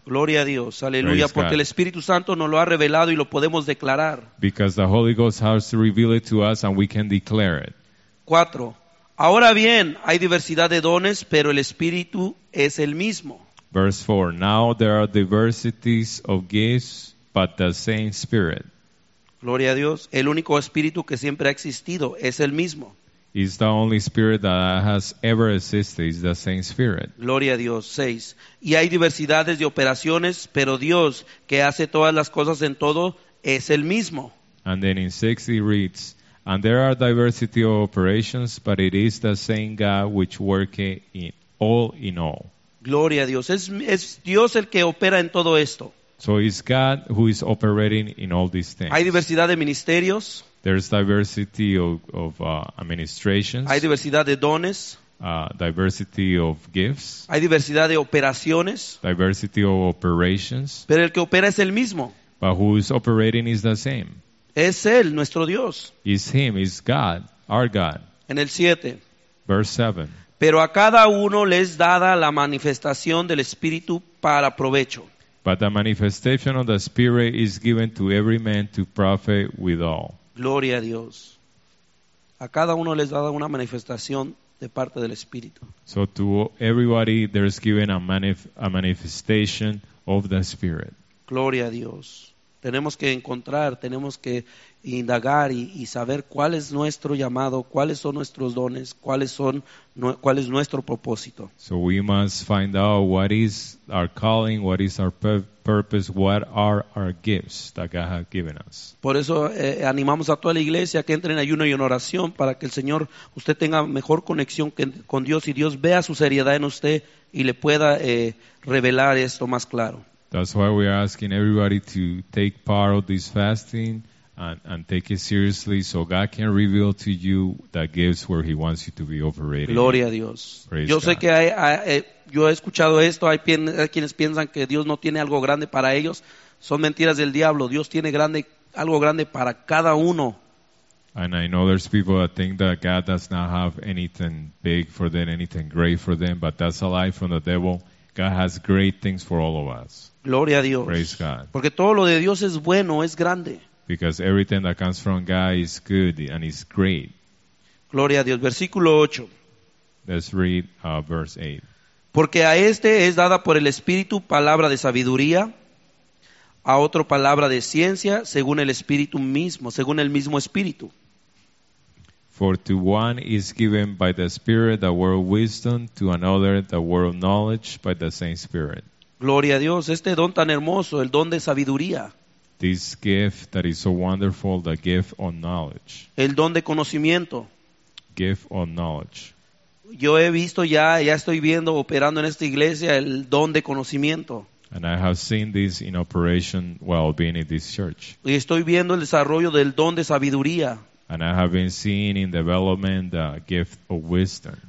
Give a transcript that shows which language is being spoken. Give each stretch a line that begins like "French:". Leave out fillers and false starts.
Spanish: Gloria a Dios. Aleluya. Porque el Espíritu Santo nos lo ha revelado y lo podemos declarar.
English: Because the Holy Ghost has to reveal it to us and we can declare it. 4.
Spanish: Ahora bien, hay diversidad de dones, pero el Espíritu es el mismo.
English: Verse 4. Now there are diversities of gifts, but the same Spirit.
Spanish: Gloria a Dios. El único Espíritu que siempre ha existido es el mismo.
English: Is the only Spirit that has ever existed. Is the same Spirit.
Spanish: Gloria a Dios. 6. Y hay diversidades de operaciones, pero Dios, que hace todas las cosas en todo, es el mismo.
English: And then in 6 he reads, and there are diversity of operations, but it is the same God which worketh in all in all.
Spanish: Gloria a Dios. Es Dios el que opera en todo esto.
English: So it's God who is operating in all these things.
Spanish: Hay diversidad de ministerios.
English: There's diversity of administrations.
Spanish: Hay diversidad de dones.
English: Diversity of gifts.
Spanish: Hay diversidad de operaciones.
English: Diversity of operations.
Spanish: Pero el que opera es el mismo.
English: But who is operating is the same.
Spanish: Es Él, nuestro Dios.
English: It's Him, it's God, our God.
Spanish: En el 7.
English: Verse 7.
Spanish: Pero a cada uno le es dada la manifestación del Espíritu para provecho.
English: But the manifestation of the Spirit is given to every man to profit with all.
Spanish: Gloria a Dios. A cada uno les da una manifestación de parte del Espíritu.
English: So to everybody there is given a manifestation of the Spirit.
Spanish: Gloria a Dios. Tenemos que encontrar, tenemos que indagar y saber cuál es nuestro llamado, cuáles son nuestros dones, cuál es nuestro propósito.
English: So we must find out what is our calling, what is our purpose, what are our gifts that God has given us.
Spanish: Por eso animamos a toda la iglesia que entre en ayuno y en oración para que el Señor, usted tenga mejor conexión con Dios y Dios vea su seriedad en usted y le pueda revelar esto más claro.
English: That's why we are asking everybody to take part of this fasting and take it seriously so God can reveal to you the gifts where He wants you to be operating.
Spanish: Gloria a Dios.
English: Praise
Spanish: yo
English: God.
Spanish: Sé que yo he escuchado esto, hay quienes piensan que Dios no tiene algo grande para ellos. Son mentiras del diablo. Dios tiene algo grande para cada uno.
English: And I know there's people that think that God does not have anything big for them, anything great for them, but that's a lie from the devil. God has great things for all of us.
Spanish: Gloria a Dios.
English: Praise God.
Spanish: Porque todo lo de Dios es bueno, es grande.
English: Because everything that comes from God is good and is great.
Spanish: Gloria a Dios. Versículo 8.
English: Let's read verse 8.
Spanish: Porque a este es dada por el Espíritu palabra de sabiduría, a otro palabra de ciencia, según el Espíritu mismo, según el mismo Espíritu.
English: For to one is given by the Spirit the word of wisdom, to another the word of knowledge by the same Spirit.
Spanish: Gloria a Dios, este don tan hermoso, el don de sabiduría.
English: This gift that is so wonderful, the gift of knowledge.
Spanish: El don de conocimiento.
English: Gift of knowledge.
Spanish: Yo he visto ya estoy viendo operando en esta iglesia el don de conocimiento.
English: And I have seen this in operation while being in this church.
Spanish: Y estoy viendo el desarrollo del don de sabiduría.
English: And I have been seeing in development the gift of wisdom.